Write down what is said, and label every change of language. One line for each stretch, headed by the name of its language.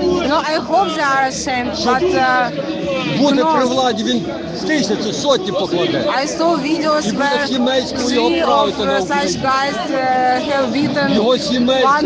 English: No, I hope they are ashamed, but...
Ukrainian: Буде
English: no.
Ukrainian: При владі, він тисячі, сотні покладе.
English: I saw videos where three of such guys have beaten one of the men